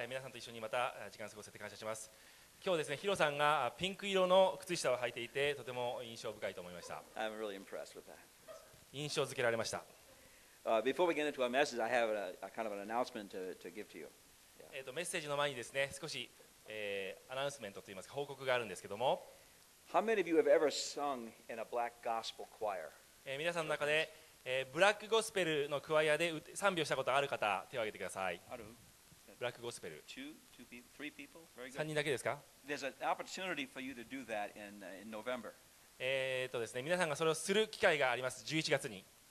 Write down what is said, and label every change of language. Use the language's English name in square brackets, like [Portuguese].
[Japanese] 皆さんと一緒にまた時間を過ごせて感謝します。今日ですね、ヒロさんがピンク色の靴下を履いていて、とても印象深いと思いました。 [English] I'm really impressed with that. [Japanese] 印象付けられました。 [English] Before we get into our message, I have a kind of an announcement to give to you. [Japanese] メッセージの前にですね、少し、アナウンスメントといいますか、報告があるんですけども。 [English] How many of you have ever sung in a black gospel choir? [Japanese] 皆さんの中で、ブラックゴスペルのクワイアで賛美をしたことある方、手を挙げてください。ある? ブラックゴスペル。 3 人だけですか? [English] There's an opportunity for you to do that in November. [Japanese] ですね、皆さんがそれをする機会があります、11月に。